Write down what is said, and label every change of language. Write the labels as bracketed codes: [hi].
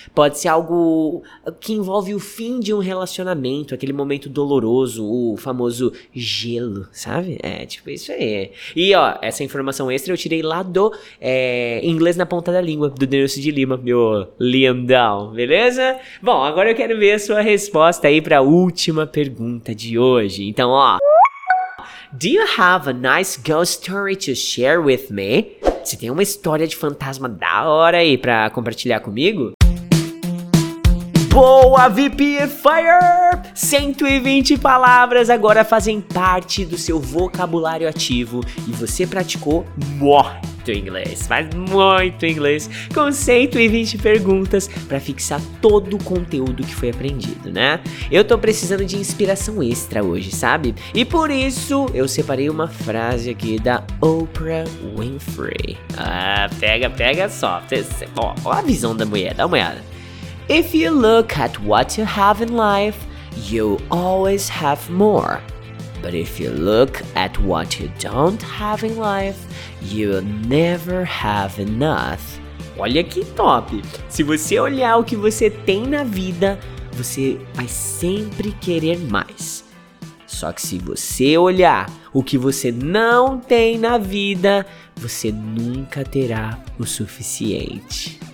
[pt] Pode ser algo que envolve o fim de um relacionamento, aquele momento doloroso, o famoso gelo, sabe? É, tipo isso aí. E, ó, essa informação extra eu tirei lá do Inglês na Ponta da Língua, do Denilson de Lima, meu Liam Down, beleza? Bom, agora eu quero ver a sua resposta aí pra última pergunta de hoje. Então, ó. [en] Do you have a nice ghost story to share with me? [pt] Você tem uma história de fantasma da hora aí pra compartilhar comigo? Boa, VIP Fire! 120 palavras agora fazem parte do seu vocabulário ativo e você praticou muito inglês, faz muito inglês, com 120 perguntas para fixar todo o conteúdo que foi aprendido, né? Eu tô precisando de inspiração extra hoje, sabe? E por isso eu separei uma frase aqui da Oprah Winfrey. Ah, pega só. Ó, a visão da mulher, dá uma olhada. [en] If you look at what you have in life, you always have more. But if you look at what you don't have in life, you will never have enough. [pt] Olha que top! Se você olhar o que você tem na vida, você vai sempre querer mais. Só que se você olhar o que você não tem na vida, você nunca terá o suficiente.